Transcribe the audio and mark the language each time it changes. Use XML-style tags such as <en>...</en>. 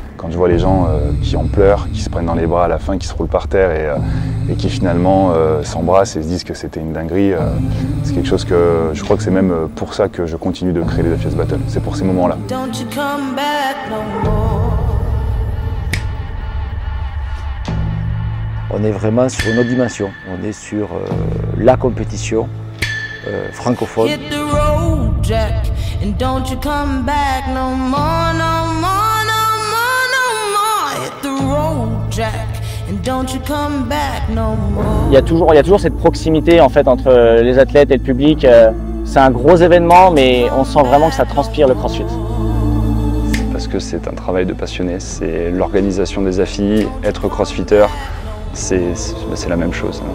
<fr>je vois les gens qui en pleurent, qui se prennent dans les bras à la fin, qui se roulent par terre et qui finalement s'embrassent et se disent que c'était une dinguerie. C'est quelque chose que je crois que c'est même pour ça que je continue de créer les The Fierce Battle. C'est pour ces moments-là.</fr> <en>Don't you come back no more.</en> <fr>On est vraiment sur une autre dimension. On est sur la compétition francophone.</fr> <en>Hit the road, Jack, and don't you come back no more, no more, no more, no more. Hit the road, Jack. And don't you come back no more.</en> <fr>Il y a toujours cette proximité en fait entre les athlètes et le public. C'est un gros événement, mais on sent vraiment que ça transpire le CrossFit. Parce que c'est un travail de passionné, c'est l'organisation des affiches, être CrossFitter, c'est la même chose.</fr>